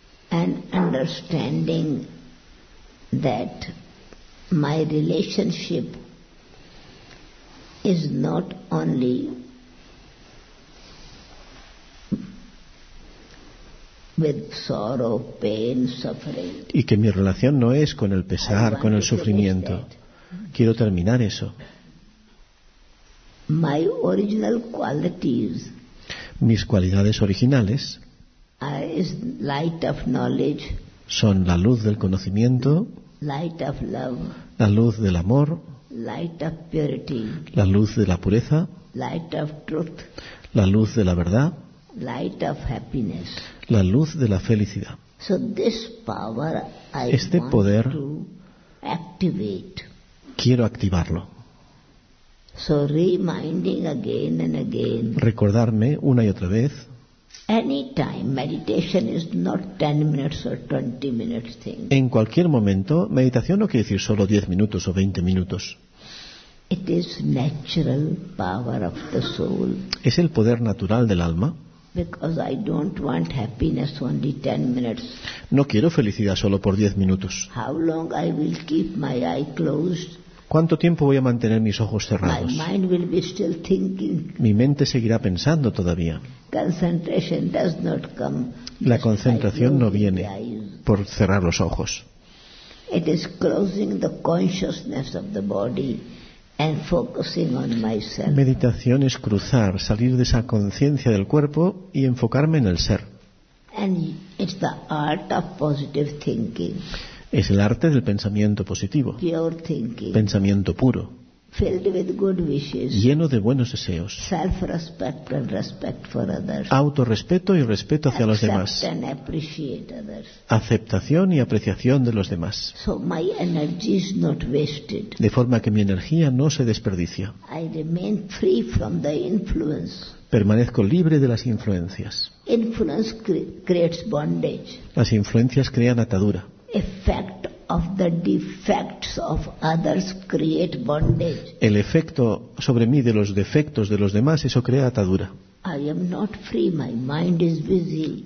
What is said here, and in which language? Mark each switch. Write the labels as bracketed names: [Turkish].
[English] And understanding that my relationship is not only with sorrow, pain, suffering. [Spanish] Y que mi relación no es con el pesar, con el sufrimiento. Quiero terminar eso. [English] My original qualities. [Spanish] Mis cualidades originales [English] is light of knowledge. [Spanish] Son la luz del conocimiento. [English] Light of love. [Spanish] La luz del amor. [English] Light of purity. [Spanish] La luz de la pureza. [English] Light of truth. [Spanish] La luz de la verdad. [English] Light of happiness. [Spanish] La luz de la felicidad. [English] So this power I [Spanish] este poder [English] want to activate. [Spanish] Quiero activarlo. [English] So reminding again and again, [Spanish] recordarme una y otra vez. [English] Anytime meditation is not 10 minutes or 20 minutes thing. [Spanish] En cualquier momento, meditación no quiere decir solo 10 minutos o 20 minutos. [English] It is natural power of the soul. [Spanish] Es el poder natural del alma. [English] Because I don't want happiness only 10 minutes. [Spanish] No quiero felicidad solo por 10 minutos. [English] How long I will keep my eye closed? [Spanish] ¿Cuánto tiempo voy a mantener mis ojos cerrados? [English] My mind will be still thinking. [Spanish] Mi mente seguirá pensando todavía. [English] Concentration does not come. [Spanish] La concentración no viene por cerrar los ojos. [English] It is closing the consciousness of the body. And focusing on myself. [Spanish] Meditación es cruzar, salir de esa conciencia del cuerpo y enfocarme en el ser. [English] And it's the art of positive thinking. [Spanish] Es el arte del pensamiento positivo. [English] Pure thinking. [Spanish] Pensamiento puro. [English] Filled with good wishes. [Spanish] Lleno de buenos deseos. [English] Self-respect and respect for others. [Spanish] Autorrespeto y respeto hacia [English] accept [Spanish] los demás. [English] And appreciate others. [Spanish] Aceptación y apreciación de los demás. [English] So my energy is not wasted. [Spanish] De forma que mi energía no se desperdicia. [English] I remain free from the influence. [Spanish] Permanezco libre de las influencias. [English] Influence creates bondage. [Spanish] Las influencias crean atadura. [English] Effect of the defects of others create bondage. [Spanish] El efecto sobre mí de los defectos de los demás, eso crea atadura. [English] I am not free, my mind is busy.